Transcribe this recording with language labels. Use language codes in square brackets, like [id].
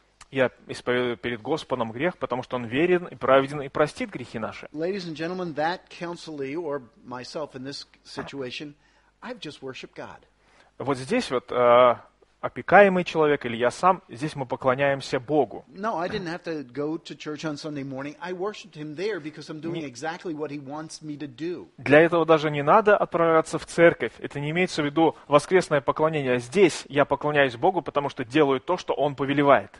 [ru] Я исповедую перед Господом грех, потому что Он верен и праведен и простит грехи наши. [en] Ladies and gentlemen, that counselee, or myself in this situation, I've just worshiped God. [ru] Вот здесь вот... опекаемый человек, или я сам, здесь мы поклоняемся Богу. [en] No, I didn't have to go to church on Sunday morning. I worshiped him there because I'm doing exactly what he wants me to do. [ru] Для этого даже не надо отправляться в церковь. Это не имеется в виду воскресное поклонение. Здесь я поклоняюсь Богу, потому что делаю то, что Он повелевает.